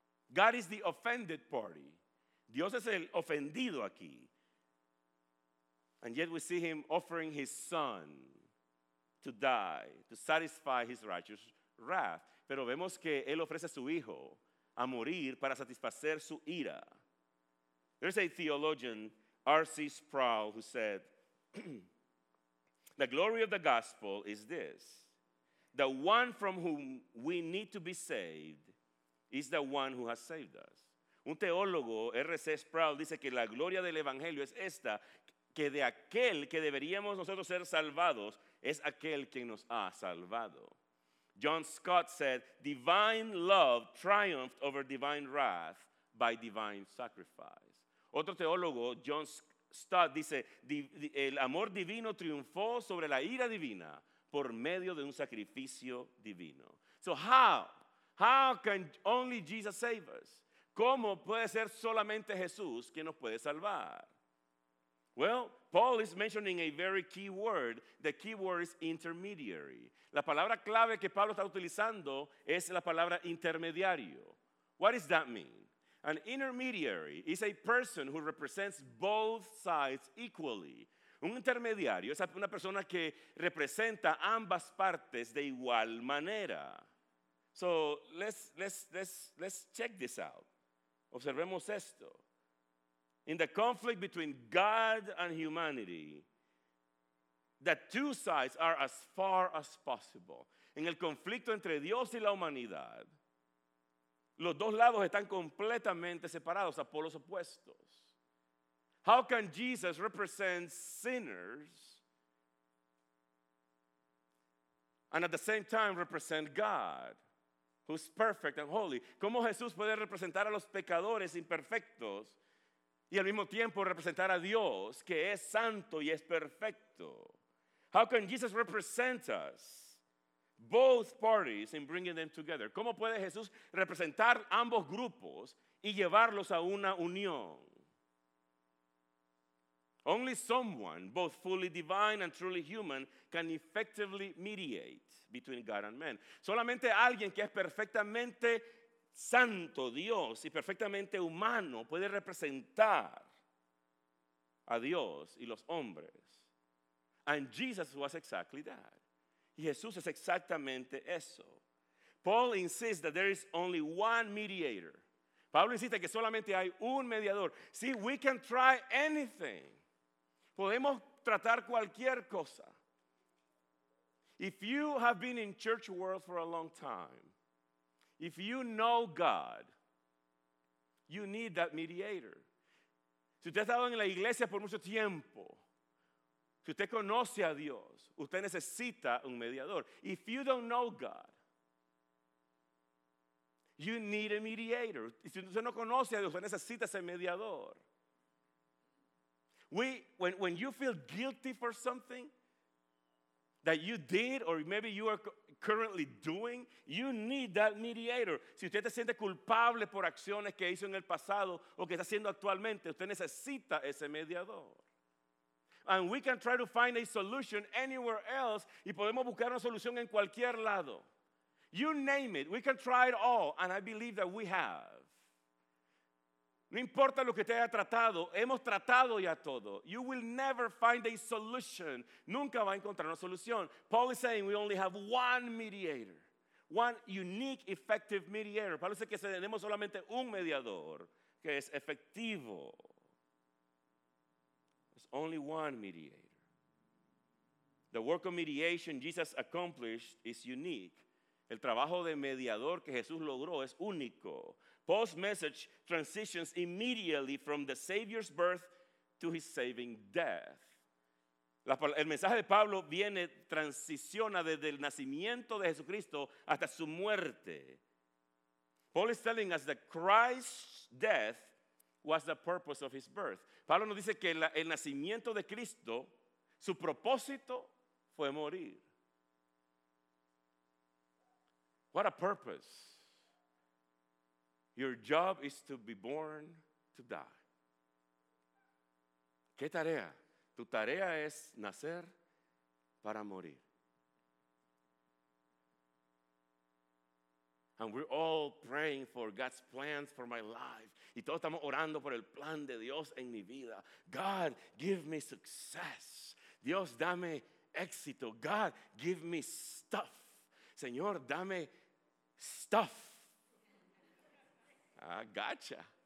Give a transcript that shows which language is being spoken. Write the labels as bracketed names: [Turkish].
[English] God is the offended party. [Spanish] Dios es el ofendido aquí. [English] And yet we see him offering his son to die, to satisfy his righteous wrath. [Spanish] Pero vemos que él ofrece a su hijo a morir para satisfacer su ira. [English] There's a theologian, R.C. Sproul, who said, "The glory of the gospel is this. The one from whom we need to be saved is the one who has saved us." [Spanish] Un teólogo, R.C. Sproul, dice que la gloria del evangelio es esta, que de aquel que deberíamos nosotros ser salvados es aquel quien nos ha salvado. [English] John Scott said, "Divine love triumphed over divine wrath by divine sacrifice." [Spanish] Otro teólogo, John Stott, dice, "El amor divino triunfó sobre la ira divina por medio de un sacrificio divino." [English] So how can only Jesus save us? [Spanish] ¿Cómo puede ser solamente Jesús quien nos puede salvar? [English] Well, Paul is mentioning a very key word. The key word is intermediary. [Spanish] La palabra clave que Pablo está utilizando es la palabra intermediario. [English] What does that mean? An intermediary is a person who represents both sides equally. [Spanish] Un intermediario es una persona que representa ambas partes de igual manera. [English] So let's check this out. [Spanish] Observemos esto. [English] In the conflict between God and humanity, the two sides are as far as possible. [Spanish] En el conflicto entre Dios y la humanidad, los dos lados están completamente separados, a polos opuestos. [English] How can Jesus represent sinners and at the same time represent God, who's perfect and holy? [Spanish] ¿Cómo Jesús puede representar a los pecadores imperfectos y al mismo tiempo representar a Dios, que es santo y es perfecto? [English] How can Jesus represent us, both parties, in bringing them together? [Spanish] ¿Cómo puede Jesús representar ambos grupos y llevarlos a una unión? [English] Only someone, both fully divine and truly human, can effectively mediate between God and man. [Spanish] Solamente alguien que es perfectamente santo Dios y perfectamente humano puede representar a Dios y los hombres. [English] And Jesus was exactly that. [Spanish] Y Jesús es exactamente eso. [English] Paul insists that there is only one mediator. [Spanish] Pablo insiste que solamente hay un mediador. [English] See, we can try anything. [Spanish] Podemos tratar cualquier cosa. [English] If you have been in church world for a long time, if you know God, you need that mediator. [Spanish] Si usted ha estado en la iglesia por mucho tiempo, si usted conoce a Dios, usted necesita un mediador. [English] If you don't know God, you need a mediator. [Spanish] Si usted no conoce a Dios, usted necesita ese mediador. [English] When you feel guilty for something that you did or maybe you are currently doing, you need that mediator. [Spanish] Si usted se siente culpable por acciones que hizo en el pasado o que está haciendo actualmente, usted necesita ese mediador. [English] And we can try to find a solution anywhere else, [Spanish] y podemos buscar una solución en cualquier lado. [English] You name it, we can try it all, and I believe that we have. [Spanish] No importa lo que te haya tratado, hemos tratado ya todo. [English] You will never find a solution. [Spanish] Nunca va a encontrar una solución. [English] Paul is saying we only have one mediator. One unique, effective mediator. [Spanish] Paul dice que tenemos solamente un mediador que es efectivo. [English] There's only one mediator. The work of mediation Jesus accomplished is unique. [Spanish] El trabajo de mediador que Jesús logró es único. [English] Paul's message transitions immediately from the Savior's birth to his saving death. [Spanish] El mensaje de Pablo viene, transiciona desde el nacimiento de Jesucristo hasta su muerte. [English] Paul is telling us that Christ's death was the purpose of his birth. [Spanish] Pablo nos dice que el nacimiento de Cristo, su propósito fue morir. [English] What a purpose. Your job is to be born to die. [Spanish] ¿Qué tarea? Tu tarea es nacer para morir. [English] And we're all praying for God's plans for my life. [Spanish] Y todos estamos orando por el plan de Dios en mi vida. [English] God, give me success. [Spanish] Dios, dame éxito. [English] God, give me stuff. [Spanish] Señor, dame stuff. [English] I gotcha.